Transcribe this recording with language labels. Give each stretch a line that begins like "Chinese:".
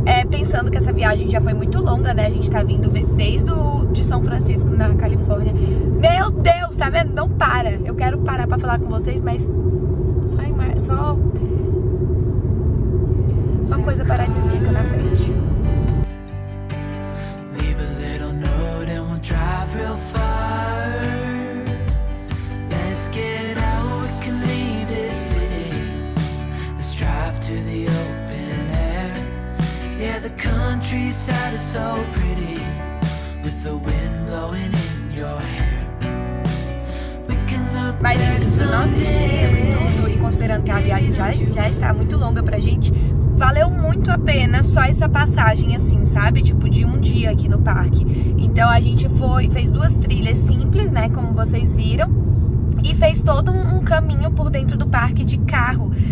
Portuguese: pensando que essa viagem já foi muito longa, né? A gente tá vindo desde de São Francisco, na Califórnia. Meu Deus, tá vendo? Não para. Eu quero parar pra falar com vocês, mas... Só coisa paradisíaca na frente.
English: Leave a little note and we'll drive real far. Let's get out, we can leave this city. Let's drive to the open. Yeah, the countryside is so pretty, with the wind blowing in your hair. We can look.
Portuguese: Mas enfim, nosso estilo e tudo, e considerando que a viagem já está muito longa pra gente, valeu muito a pena só essa passagem, assim, sabe? Tipo, de um dia aqui no parque. Então a gente fez duas trilhas simples, né, como vocês viram, e fez todo um caminho por dentro do parque de carro.